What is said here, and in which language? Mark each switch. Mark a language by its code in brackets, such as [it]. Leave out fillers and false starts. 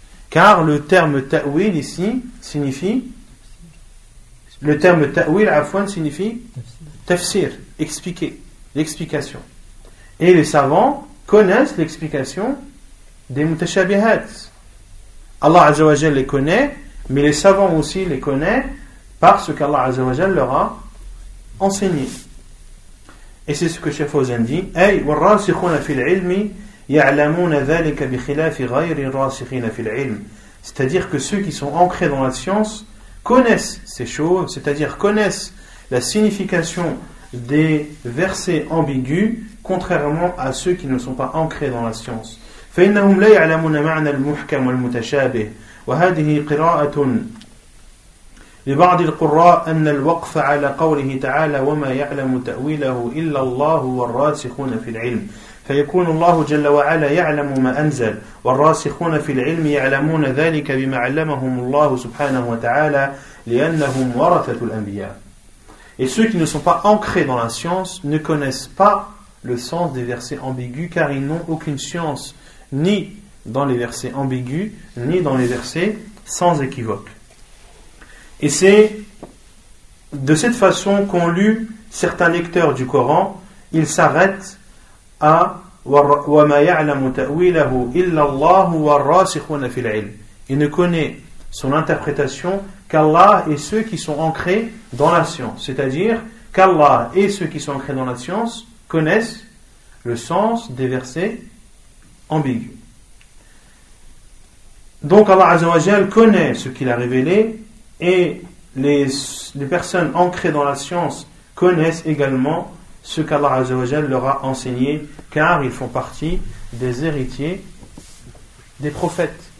[fr] Car le terme ta'wil ici signifie, le terme ta'wil afwan signifie tafsir, expliquer, l'explication. Et les savants connaissent l'explication des mutashabihats. Allah Azza wa Jal les connaît, mais les savants aussi les connaissent parce qu'Allah Azza wa Jal leur a enseigné. Et c'est ce que Cheikh Fawzan dit, [ar] أي والراسخون في العلم يعلمون ذلك بخلاف غير الراسخين في العلم. [fr] C'est-à-dire que ceux qui sont ancrés dans la science connaissent ces choses, c'est-à-dire connaissent la signification des versets ambigus, contrairement à ceux qui ne sont pas ancrés dans la science. [ar] فإنهم لا يعلمون معنى المحكم والمتشابه وهذه قراءة لبعض القراء أن الوقف على قوله تعالى وما يعلم تأويله إلا الله والراسخون في العلم فيكون الله جل وعلا يعلم ما أنزل والراسخون في العلم يعلمون ذلك بما علمهم الله سبحانه وتعالى لأنهم ورثة الأنبياء. [fr] Et ceux qui ne sont pas ancrés dans la science ne connaissent pas le sens des versets ambigus car ils n'ont aucune science ni dans les versets ambigus ni dans les versets sans équivoque. Et c'est de cette façon qu'ont lu certains lecteurs du Coran. Ils s'arrêtent à [ar] وَمَا يَعْلَمُ تَأْوِيلَهُ إِلَّا اللَّهُ وَالرَّاسِخُونَ فِي الْعِلْمِ. [fr] Ils ne connaissent son interprétation qu'Allah et ceux qui sont ancrés dans la science. C'est-à-dire qu'Allah et ceux qui sont ancrés dans la science connaissent le sens des versets ambigus. Donc Allah Azza wa Jal connaît ce qu'il a révélé. Et les personnes ancrées dans la science connaissent également ce qu'Allah Azza wa Jal leur a enseigné, car ils font partie des héritiers des prophètes.